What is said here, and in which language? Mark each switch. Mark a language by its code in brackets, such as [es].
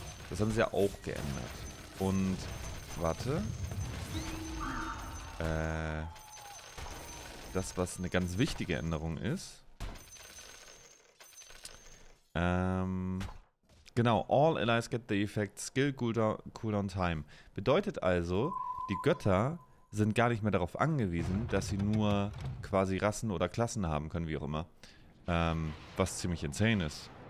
[de] Das haben sie ja auch geändert. Und warte. Das, was eine ganz wichtige Änderung ist. Genau, [en] all allies get the effect skill cooldown time. [de] Bedeutet also, die Götter sind gar nicht mehr darauf angewiesen, dass sie nur quasi Rassen oder Klassen haben können, wie auch immer. Was ziemlich insane ist.